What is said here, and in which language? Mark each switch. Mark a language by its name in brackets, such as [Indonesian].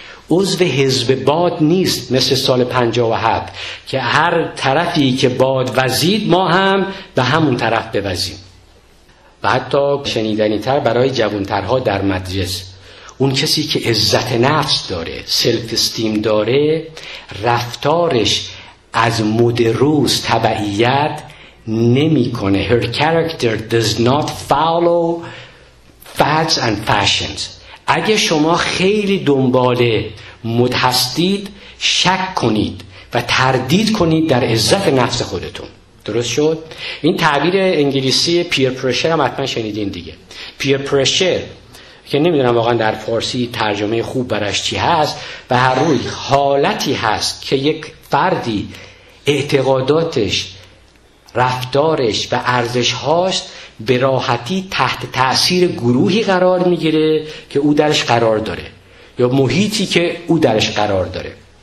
[Persian] عضو حزب باد نیست مثل سال 57 که هر طرفی که باد وزید ما هم به همون طرف بوزیم. و حتی شنیدنی تر برای جوانترها در مدرسه، اون کسی که عزت نفس داره، سلف استیم داره، رفتارش از مدروس تبعیت نمی کنه. [English] Her character does not follow fads and fashions. [Persian] اگه شما خیلی دنبال مد هستید، شک کنید و تردید کنید در عزت نفس خودتون. درست شد؟ این تعبیر انگلیسی پیر پرشر هم حتما شنیدین دیگه. پیر پرشر که نمیدونم واقعا در فارسی ترجمه خوب برش چی هست، به هر روی حالتی هست که یک فردی اعتقاداتش، رفتارش و ارزش هاست به راحتی تحت تأثیر گروهی قرار میگیره که او درش قرار داره، یا محیطی که او درش قرار داره.